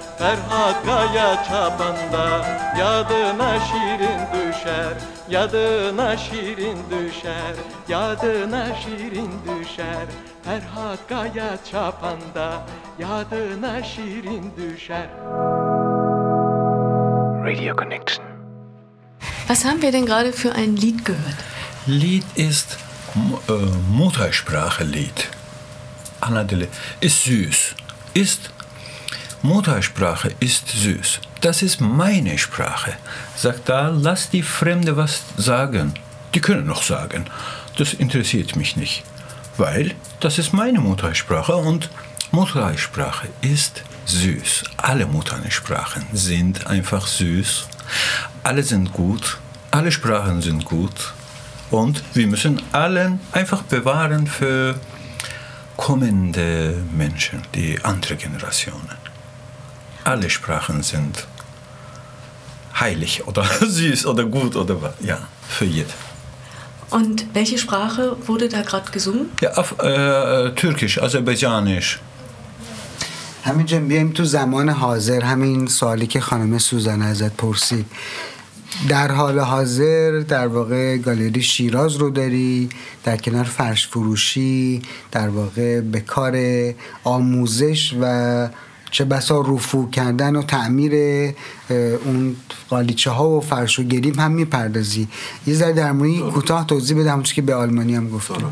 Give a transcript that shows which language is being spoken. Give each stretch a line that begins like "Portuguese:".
Turkish: Ferhat Kaya çapanda yadına şirin düşer. Yadına şirin düşer. Yadına şirin düşer. Ferhat Kaya çapanda yadına şirin düşer.
English: Radio Connection.
German: Was haben wir denn gerade für ein Lied gehört? Lied ist Muttersprache-Lied. Anadele ist süß. Ist Muttersprache ist süß. Das ist meine Sprache. Sag da, lass die Fremde was sagen. Die können noch sagen. Das interessiert mich nicht. Weil das ist meine Muttersprache und Muttersprache ist süß. Alle Muttersprachen sind einfach süß. Alle sind gut. Alle Sprachen sind gut. Und wir müssen allen einfach bewahren für kommende Menschen, die andere Generationen. Alle Sprachen sind heilig oder süß oder gut oder was. Ja, für jeden. Und welche Sprache wurde da gerade gesungen? Ja, auf Türkisch, Aserbaidschanisch.
Persian: همین جا بیایم تو زمان حاضر همین سوالی که خانم سوزن ازت پرسید در حال حاضر در واقع گالری شیراز رو داری در کنار فرش فروشی در واقع به کار آموزش و چه بسا رفو کردن و تعمیر اون قالیچه ها و فرش و گلیم هم میپردازی یه ذره در مورد کوتاه توضیح بده همون چی که به آلمانی هم گفتم